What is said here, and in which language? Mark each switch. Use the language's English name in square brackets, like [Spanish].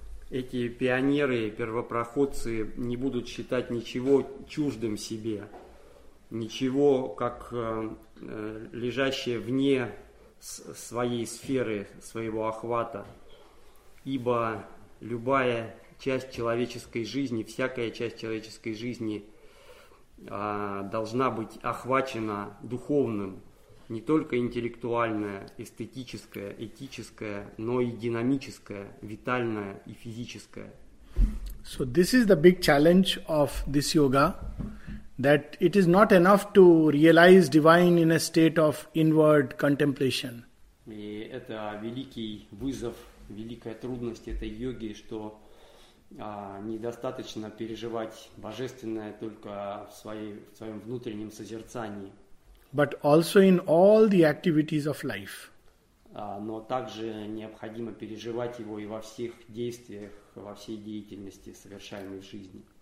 [Russian] Эти пионеры, первопроходцы, не будут считать ничего чуждым себе, ничего, как лежащее вне своей сферы, своего охвата, ибо любая часть человеческой жизни, всякая часть человеческой жизни должна быть охвачена духовным, не только интеллектуальное, эстетическое, этическое, но и динамическое, витальное и физическое. [English] So this is the big challenge of this yoga, that it is not enough to realize divine in a state of inward contemplation. [Russian] И это великий вызов, великая трудность этой йоги, что недостаточно переживать божественное только в своем внутреннем созерцании. [English] But also in all the activities of life. [Russian] Но также необходимо переживать его и во всех действиях, во всей деятельности, совершаемой в жизни.